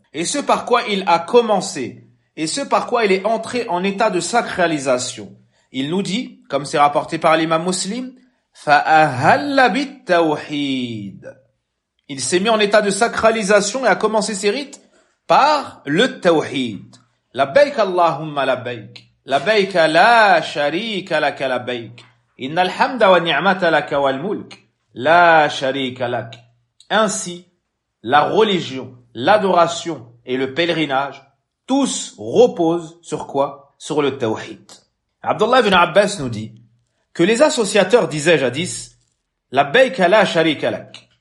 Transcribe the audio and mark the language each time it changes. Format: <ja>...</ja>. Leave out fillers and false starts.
<fr>Et ce par quoi il a commencé, et ce par quoi il est entré en état de sacralisation. Il nous dit, comme c'est rapporté par l'imam muslim,</fr> <ar>فَأَهَلَّ بِالتَّوْحِيدِ.</ar> <fr>Il s'est mis en état de sacralisation et a commencé ses rites par le tawhid.</fr> <ar>لبيك اللهم لبيك لبيك لا شريك لك لبيك إن الحمد والنعمة لك والملك لا شريك لك.</ar> <fr>Ainsi, la religion, l'adoration et le pèlerinage, tous reposent sur quoi ? Sur le tawhid. Abdullah ibn Abbas nous dit que les associateurs disaient jadis</fr> <ar>لبيك لا شريك لك.</ar>